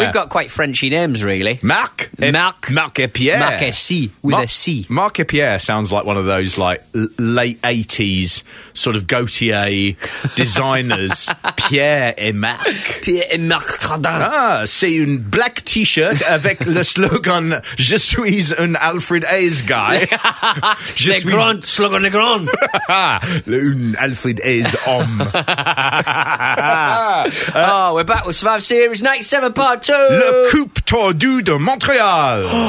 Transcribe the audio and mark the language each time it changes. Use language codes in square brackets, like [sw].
[en] We've got quite Frenchy names, really. [fr] Mac et Pierre. [en] Mac et C, with a C. Mac et Pierre sounds like one of those, like, late 80s sort of Gautier designers. [fr] Pierre et Mac. Pierre et Mac Cardin. Ah, c'est une [en] black t-shirt [fr] avec le slogan « Je suis un Alfred Hayes [en] guy ». [fr] Le suis... grand slogan, le grand. Le un Alfred Hayes homme. [en] Oh, we're back with Survivor Series 97 Part 2. [fr] Le Coupe Tordue de Montréal.